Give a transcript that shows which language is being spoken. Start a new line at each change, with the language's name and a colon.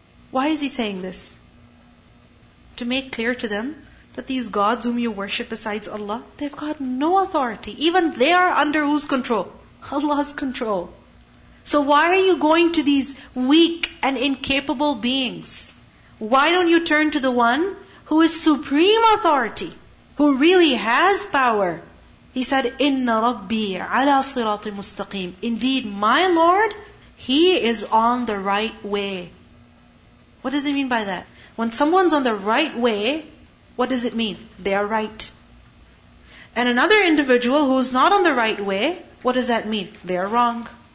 English: Why is He saying this? To make clear to them that these gods whom you worship besides Allah, they've got no authority. Even they are under whose control? Allah's control. So why are you going to these weak and incapable beings? Why don't you turn to the one who is supreme authority, who really has power? He said,
Arabic: إِنَّ رَبِّي عَلَى صِرَاطٍ مُسْتَقِيمٍ.
English: Indeed, my Lord, He is on the right way. What does He mean by that? When someone's on the right way, what does it mean? They are right. And another individual who's not on the right way, what does that mean? They are wrong.